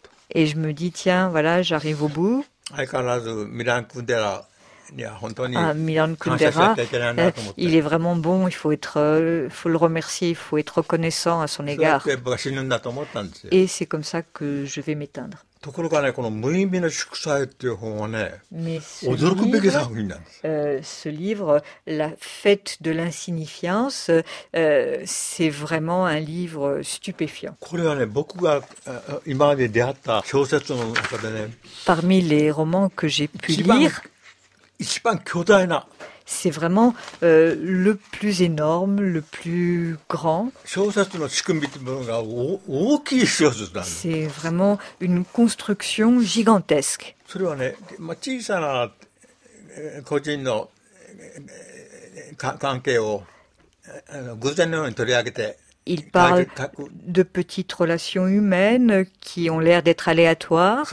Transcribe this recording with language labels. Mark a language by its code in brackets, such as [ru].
[fr] Et je me dis, tiens, voilà, j'arrive au bout. [ja] 相変わらずミラン・クンデラには本当に感謝しなきゃいけないなと思って。 [fr] Il est vraiment bon, il faut le remercier, il faut être reconnaissant à son égard. [ja] それって僕は死ぬんだと思ったんですよ。 [fr] Et c'est comme ça que je vais m'éteindre. [ja] ところがね、この無意味の祝祭っていう本はね、驚くべき作品なんです。 [fr] Ce livre, La fête de l'insignifiance, c'est vraiment un livre stupéfiant. [ja] これはね、僕が今まで出会った小説の中でね、 [fr] Parmi les romans que j'ai pu lire, [ja] 一番巨大な、 [fr] C'est vraiment le plus énorme, le plus grand. [ja] 小説の仕組みというものが大きい小説なんです。 [fr] C'est vraiment une construction gigantesque. [ja] それはね、まあ、小さな個人の関係を偶然のように取り上げて、 [fr] Il parle de petites relations humaines qui ont l'air d'être aléatoires.